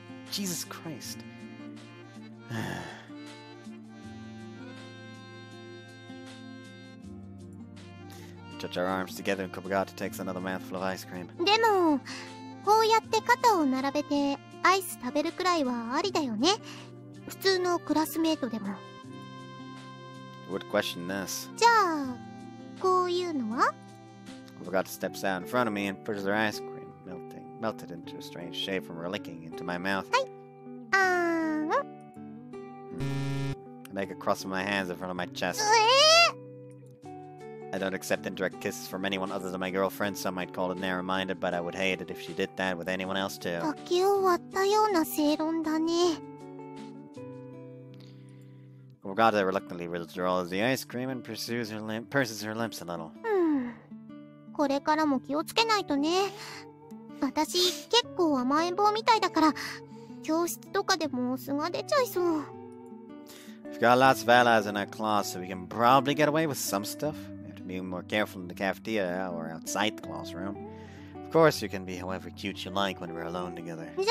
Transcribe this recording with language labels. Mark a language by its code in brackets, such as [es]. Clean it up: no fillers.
[en] Jesus Christ. We touch our arms together and Kobogata takes another mouthful of ice cream. [ja] Demo, こうやって肩を並べてアイス食べるくらいはありだよね。普通のクラスメートでも。 [en] Would question this. [ja] じゃあ、こういうのは? [en] Kobogata steps out in front of me and pushes her ice cream, melted into a strange shape from her licking into my mouth. [ja] はい。 [en] I make a cross with my hands in front of my chest. I don't accept indirect kisses from anyone other than my girlfriend. Some might call it narrow-minded, but I would hate it if she did that with anyone else too. [ja] 時を割ったような正論だね。 [en] Kogata reluctantly withdraws the ice cream and purses her lips a little. [ja] これからも気をつけないとね。私結構甘えん坊みたいだから。教室とかでも素が出ちゃいそう。 [en] We've got lots of allies in our class, so we can probably get away with some stuff. We have to be more careful in the cafeteria or outside the classroom. Of course, you can be however cute you like when we're alone together.